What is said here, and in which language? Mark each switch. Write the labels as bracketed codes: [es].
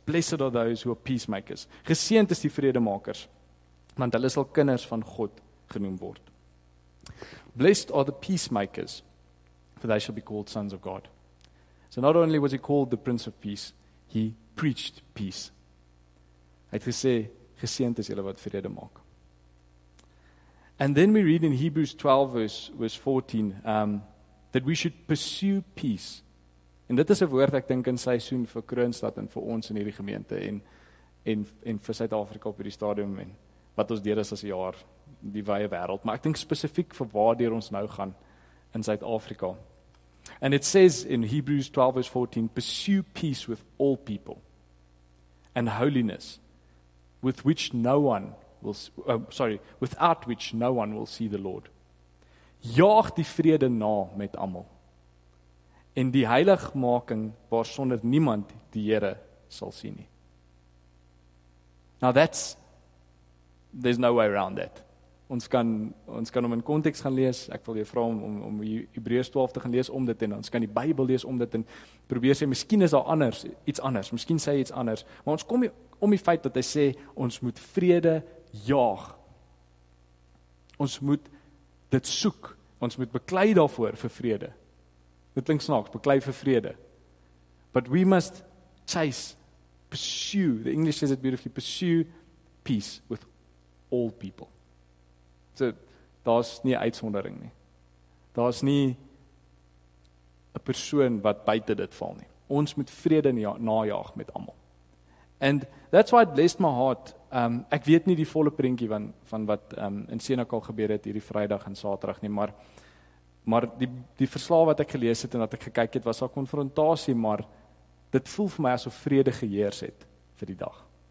[en] Blessed are those who are peacemakers. [af] Geseend is die vredemakers, want hulle sal kinders van God genoem word. [en] Blessed are the peacemakers, for they shall be called sons of God. So not only was he called the Prince of Peace, he preached peace. [af] Hy het gesê, geseend is julle wat vrede maak. [en] And then we read in Hebrews 12 verse 14 that we should pursue peace. [af] En dit is 'n woord ek dink in seisoen vir Kroonstad en vir ons in hierdie gemeente en vir Suid-Afrika op hierdie stadium en wat ons deur is as 'n jaar die wye wêreld, maar ek dink spesifiek vir waar deur ons nou gaan in Suid-Afrika. [en] And it says in Hebrews 12 verse 14, pursue peace with all people and holiness with which no one will without which no one will see the Lord. [af] Jaag die vrede na met almal en die heiligmaking waar sonder niemand die Here sal sien nie. [en] Now that's, there's no way around that. [af] Ons kan hom in konteks gaan lees. Ek wil jou vra om Hebreërs 12 te gaan lees om dit en ons kan die Bybel lees om dit en probeer sê miskien is daar anders, iets anders. Miskien sê hy iets anders, maar ons kom om die feit dat hy sê ons moet vrede jaag. Ons moet dit soek. Ons moet beklei daarvoor vir vrede. Dit klink snaaks, beklei vir vrede. [en] But we must chase, pursue. The English says it beautifully, pursue peace with all people. [af] So, daar's nie 'n uitsondering nie. Daar's nie 'n persoon wat buite dit val nie. Ons moet vrede najaag met almal. [en] And that's why it blessed my heart. [af] Ek weet nie die volle prentjie van wat in Senekal gebeur het hierdie Vrydag en Saterdag nie, maar die verslag wat ek gelees het en wat ek gekyk het was 'n konfrontasie, maar dit voel vir my asof vrede geheers het vir die dag.